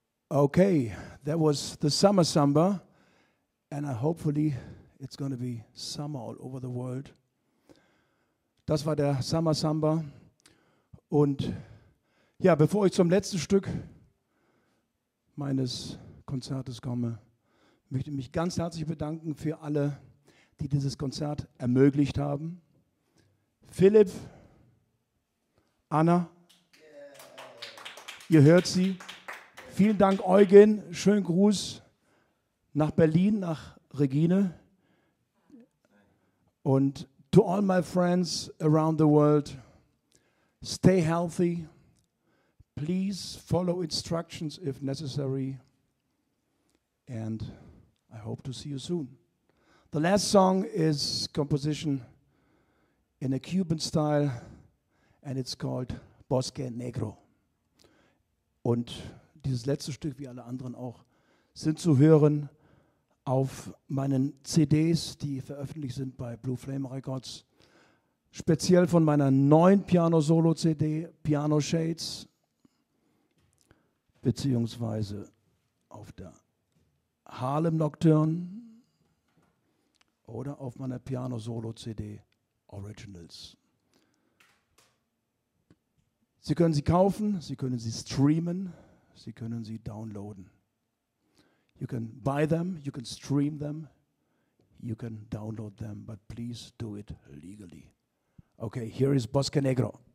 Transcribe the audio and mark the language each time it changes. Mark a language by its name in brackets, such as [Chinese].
[English] Okay, that was the summer samba, and hopefully it's going to be summer all over the world. [German] Das war der Summer Samba. Und ja, bevor ich zum letzten Stück meines Konzertes komme, möchte ich mich ganz herzlich bedanken für alle, die dieses Konzert ermöglicht haben. Philipp, Anna, ihr hört sie. Vielen Dank, Eugen. Schönen Gruß nach Berlin, nach Regine. Und [English] to all my friends around the world, stay healthy. Please follow instructions if necessary. And I hope to see you soon. The last song is composition in a Cuban style, and it's called Bosque Negro. [German] Und dieses letzte Stück, wie alle anderen auch, sind zu hören auf meinen CDs, die veröffentlicht sind bei Blue Flame Records. Speziell von meiner neuen Piano-Solo-CD, Piano Shades, beziehungsweise auf der Harlem Nocturne oder auf meiner Piano-Solo-CD Originals. Sie können sie kaufen, Sie können sie streamen, Sie können sie downloaden. [English] You can buy them, you can stream them, you can download them, but please do it legally. Okay, here is Bosque Negro.